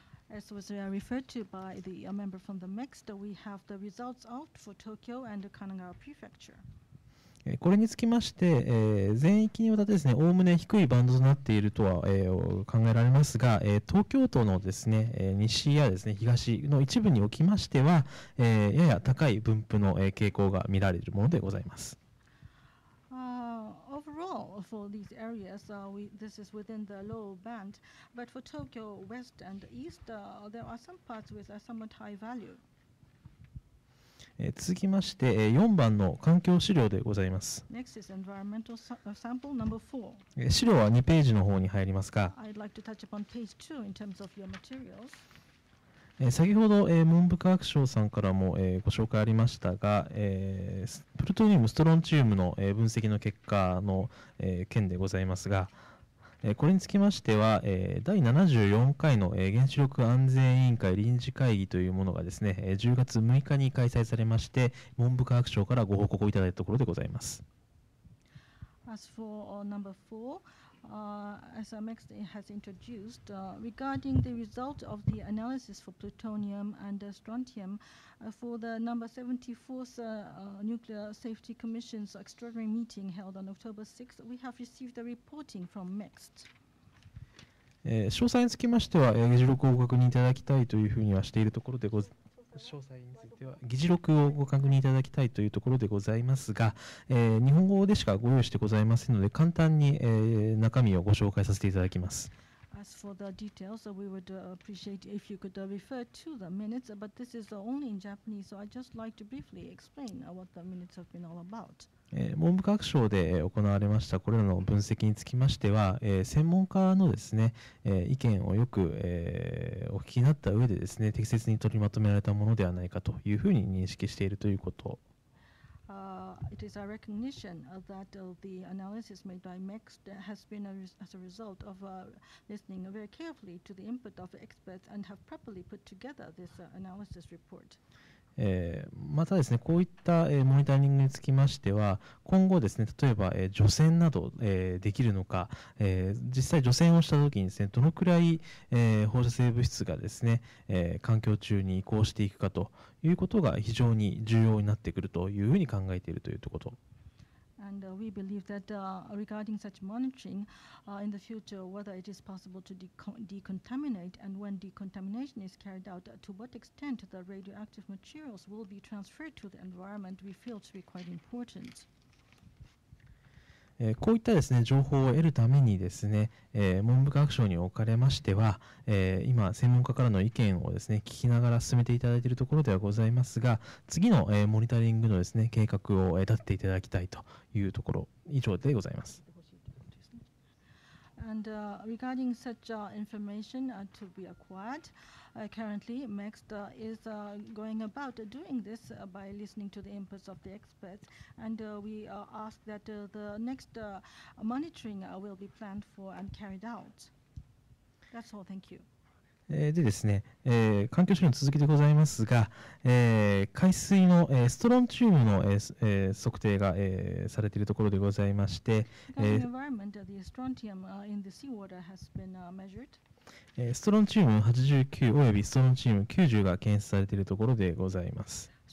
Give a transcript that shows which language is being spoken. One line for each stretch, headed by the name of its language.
English: As was referred to by the member from the MEXT, we have the results out for Tokyo and Kanagawa Prefecture.
Japanese: これにつきまして、全域にわたってですね、おおむね低いバンドとなっているとは、考えられますが、東京都のですね、西やですね、東の一部におきましては、やや高い分布の、傾向が見られるものでございます。
English: Overall, for these areas, this is within the low band, but for Tokyo West and East, there are some parts with a somewhat high value.
Japanese: 続きまして4番の環境資料でございます。
English: Next is environmental sample number four.
Japanese: 資料は2ページの方に入りますか。
English: I'd like to touch upon page two in terms of your materials.
Japanese: 先ほど文部科学省さんからもご紹介ありましたが、プルトニウム、ストロンチウムの分析の結果の件でございますが、これにつきましては第74回の原子力安全委員会臨時会議というものがですね、10月6日に開催されまして、文部科学省からご報告をいただいたところでございます。
English: As for number 4, as MEXT has introduced, regarding the result of the analysis for plutonium and strontium, for the number 74th Nuclear Safety Commission's extraordinary meeting held on October 6th, we have received the reporting from MEXT.
Japanese: 詳細につきましては、議事録をご確認いただきたいというふうにはしているところでございます。詳細については議事録をご確認いただきたいというところでございますが、日本語でしかご用意してございませんので、簡単に中身をご紹介させていただきます。
English: As for the details, we would appreciate if you could refer to the minutes, but this is only in Japanese, so I'd just like to briefly explain what the minutes have been all about.
Japanese: 文部科学省で行われましたこれらの分析につきましては、専門家のですね、意見をよく、お聞きになった上でですね、適切に取りまとめられたものではないかというふうに認識しているということ。
English: It is our recognition that the analysis made by MEXT has been as a result of listening very carefully to the input of experts and have properly put together this analysis report.
Japanese: またですね、こういったモニタリングにつきましては、今後ですね、例えば除染などできるのか、実際除染をしたときにですね、どのくらい放射性物質がですね、環境中に移行していくかと。いうことが非常に重要になってくるというふうに考えているということ。
English: And we believe that regarding such monitoring in the future, whether it is possible to decontaminate and when decontamination is carried out, to what extent the radioactive materials will be transferred to the environment, we feel to be quite important.
Japanese: こういったですね、情報を得るためにですね、文部科学省におかれましては、今専門家からの意見をですね、聞きながら進めていただいているところではございますが、次の、モニタリングのですね、計画を立てていただきたいというところ、以上でございます。
English: And regarding such information to be acquired, currently MEXT is going about doing this by listening to the inputs of the experts. And we ask that the next monitoring will be planned for and carried out. That's all. Thank you.
Japanese: でですね、環境処理の続きでございますが、海水の、ストロンチウムの、測定が、されているところでございまして、ストロンチウム89およびストロンチウム90が検出されているところでございます。